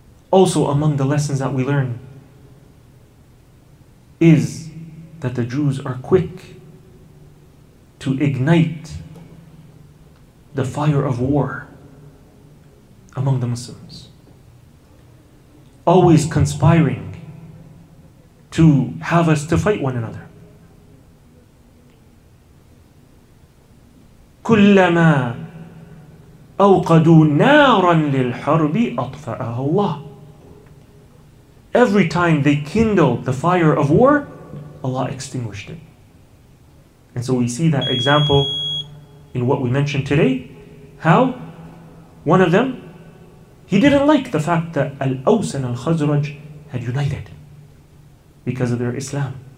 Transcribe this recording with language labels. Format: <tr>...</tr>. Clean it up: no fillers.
<en>Also, among the lessons that we learn is that the Jews are quick to ignite the fire of war among the Muslims, always conspiring to have us to fight one another.</en> <ar>كلما أوقدوا نارا للحرب أطفأها الله.</ar> <en>Every time they kindled the fire of war, Allah extinguished it. And so we see that example in what we mentioned today, how one of them, he didn't like the fact that Al-Aws and Al-Khazraj had united because of their Islam.</en>